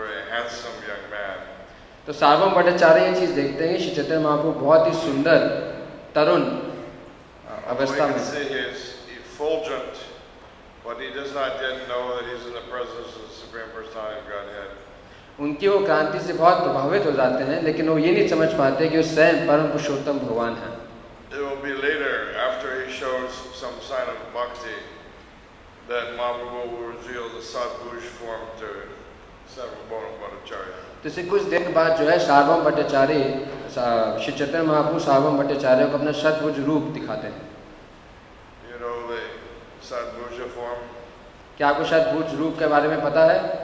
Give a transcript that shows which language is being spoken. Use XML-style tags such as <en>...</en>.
<hi>तो सार्वभौम भट्टाचार्य ये चीज देखते हैं कि श्री चैतन्य महाप्रभु बहुत ही सुंदर तरुण अवस्था में उनकी वो क्रांति से बहुत प्रभावित हो जाते हैं, लेकिन वो ये नहीं समझ पाते कि वो स्वयं परम पुरुषोत्तम भगवान है।</hi> <en>It will be later, after he shows some sign of bhakti, that Mahaprabhu will reveal the Sadpurush form to Sarvabhauma Bhattacharya.</en> <hi>तो इसे कुछ देर बाद जो है सार्वभौम भट्टाचार्य श्री चैतन्य महाप्रभु सार्वभौम भट्टाचार्य को अपना सद्भुज रूप दिखाते हैं।</hi> <en>You know the Sadpurush form?</en> <hi>क्या आपको सद्भुज रूप के बारे में पता है?</hi>